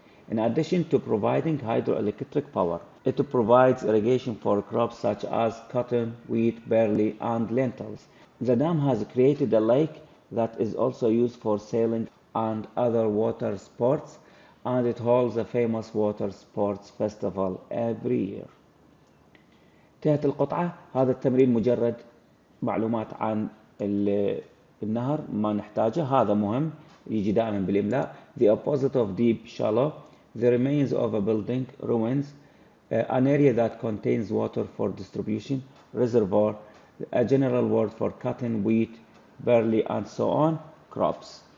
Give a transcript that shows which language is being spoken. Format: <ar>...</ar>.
<en>In addition to providing hydroelectric power, it provides irrigation for crops such as cotton, wheat, barley, and lentils. The dam has created a lake that is also used for sailing and other water sports, and it holds a famous water sports festival every year.</en> <ar>انتهت القطعة. هذا التمرين مجرد معلومات عن النهر ما نحتاجه. هذا مهم يجي دائما بالإملاء.</ar> <en>The opposite of deep shallow, the remains of a building, ruins, an area that contains water for distribution, reservoir, a general word for cotton, wheat, barley and so on, crops.</en>